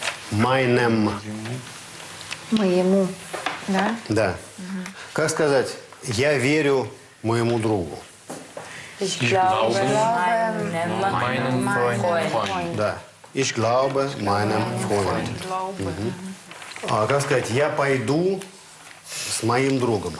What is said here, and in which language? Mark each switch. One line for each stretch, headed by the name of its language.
German: Майнем.
Russian: Моему. Да? Да. Как сказать «я верю моему другу»?
German: Ich glaube meinem Freund.
Russian: Да.
German: Ich glaube meinem Freund.
Russian: А как сказать «я пойду с моим другом»?